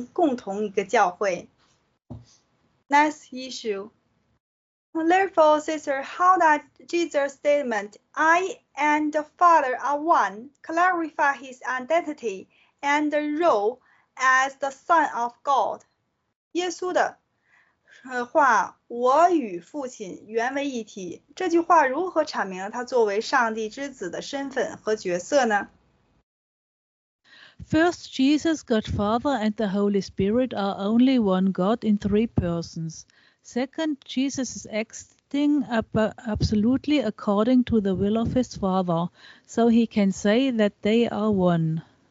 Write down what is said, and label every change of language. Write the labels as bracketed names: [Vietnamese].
[Chinese] 耶稣首先来到犹太人中间，但他的羊圈里不仅仅只有犹太人，他的其他羊都是外邦人、希腊人和地球上存在的所有其他部落。上帝的秘密则是，他将在他的羊圈里将世界上所有的民族成员联合起来，组成共同一个教会。 [English] Next issue. Therefore, sister, how does Jesus' statement "I and the Father are one" clarify his identity and the role as the Son of God? [Chinese] 耶稣的话，我与父亲原为一体，这句话如何阐明了他作为上帝之子的身份和角色呢？ [English] First, Jesus, God Father, and the Holy Spirit are only one God in three persons. Second, Jesus is acting absolutely according to the will of his Father, so he can say that they are one.